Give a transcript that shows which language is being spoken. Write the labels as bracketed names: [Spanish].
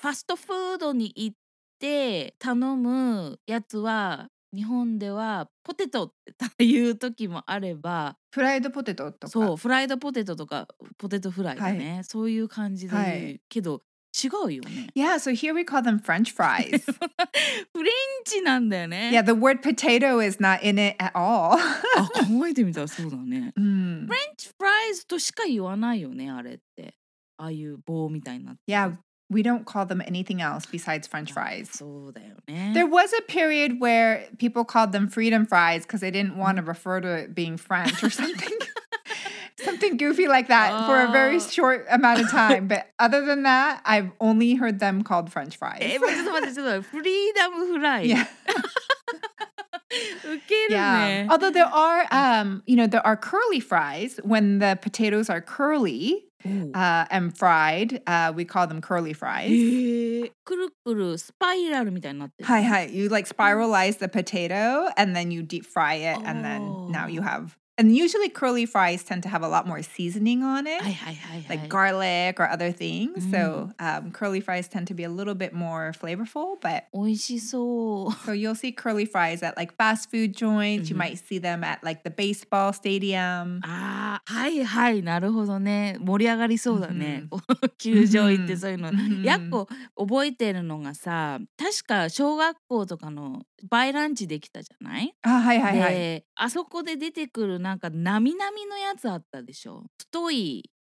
[Japanese] ファストフードに行って頼むやつは日本ではポテトっていう時もあればフライドポテトとかそうフライドポテトとかポテトフライだね、はい、そういう感じで、はい、けど違うよね [English] Yeah, so here we call them French fries [Japanese] フレンチなんだよね [English] Yeah, the word potato is not in it at all [Japanese] あ、考えてみたらそうだね、うん、フレンチフライズとしか言わないよねあれってああいう棒みたいになって [English] Yeah,We don't call them anything else besides French fries. [Japanese] そうだよね。 [English] There was a period where people called them freedom fries because they didn't want to refer to it being French or something. something goofy like that for a very short amount of time. But other than that, I've only heard them called French fries. [Japanese] え、ちょっと待って、ちょっと待って。 [English] Freedom fries. Yeah. [Japanese] ウケるね、 [English] Although there are, you know, there are curly fries when the potatoes are curly、and fried, we call them curly fries. [Japanese] くるくるスパイラルみたいになってる。 [English] はいはい。You like spiralize the potato and then you deep fry it and then now you have... And usually curly fries tend to have a lot more seasoning on it, like garlic or other things. Mm. So curly fries tend to be a little bit more flavorful, but... [Japanese] 美味しそう。 [English] So you'll see curly fries at like fast food joints. Mm. You might see them at like the baseball stadium. [Japanese] Ah, はいはい、なるほどね。盛り上がりそうだね。球場行ってそういうの。やっこ覚えてるのがさ、確か小学校とかのバイランチできたじゃない？あ、はいはいはい。で、あそこで出てくるなんか並々のやつあったでしょ太い